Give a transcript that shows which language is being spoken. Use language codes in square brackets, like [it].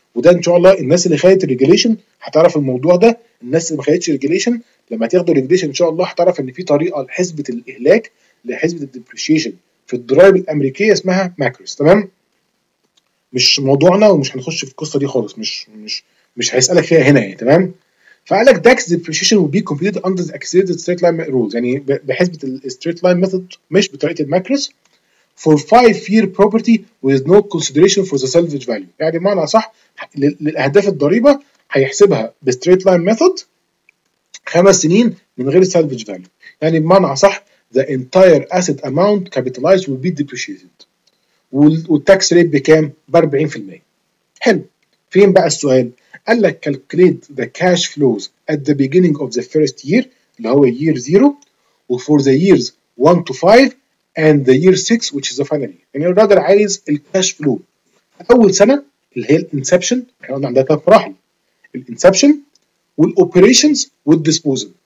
[ar] وده إن شاء الله الناس اللي خدت الريجيليشن هتعرف الموضوع ده. الناس اللي ما خدتش الريجيليشن لما تاخدوا الريجيليشن إن شاء الله هتعرف إن في طريقة لحسبة الإهلاك لحسبة الديبريشيشن في الضرايب الأمريكية اسمها ماكروز. تمام مش موضوعنا ومش هنخش في القصة دي خالص، مش هيسألك فيها هنا يعني. [en] تمام فقال لك tax depreciation will be computed under the accelerated straight line rules يعني بحسبة ال straight line method مش بطريقة الماكروز for 5-year property with no consideration for the salvage value. [ar] يعني بمعنى صح للأهداف الضريبة هيحسبها ب straight line method 5 سنين من غير salvage value. [en] يعني بمعنى صح the entire asset amount capitalized will be depreciated والtax rate بكام؟ ب 40%. حلو فين بقى السؤال؟ قال لك calculate the cash flows at the beginning of the first year اللي هو year 0 وfor the years 1 to 5 and the year 6 which is the final year. [ar] يعني الراجل عايز الكاش فلو اول سنه اللي هي الانسبشن، احنا قلنا عندها ثلاث مراحل الانسبشن والاوبريشنز والديسبوزل.